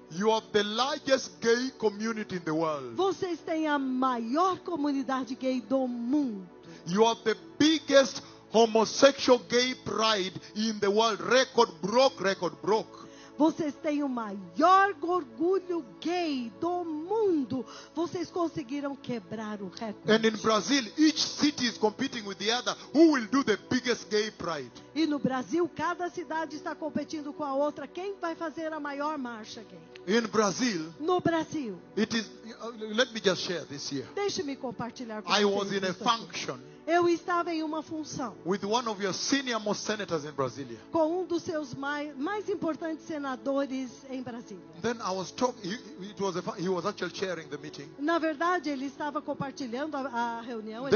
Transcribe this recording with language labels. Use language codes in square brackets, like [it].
[en] you have the largest gay community in the world. [pt] Vocês têm a maior comunidade gay do mundo. [en] You have the biggest homosexual gay pride in the world. Record broke. [pt] Vocês têm o maior orgulho gay do mundo. Vocês conseguiram quebrar o recorde. [en] And in Brazil, each city is competing with the other. Who will do the biggest gay pride? [pt] E no Brasil, cada cidade está competindo com a outra. Quem vai fazer a maior marcha gay? [en] In Brazil. [pt] No Brasil. [en] It is. Let me just share this here. [pt] Deixe-me compartilhar com vocês. [en] I was in a function. [pt] Eu estava em uma função [en] with one of your senior most senators in Brasilia. [pt] Com um dos seus mais importantes senadores em Brasília. [en] Then I was he was actually chairing the meeting. [pt] Na verdade, ele estava compartilhando a reunião, ele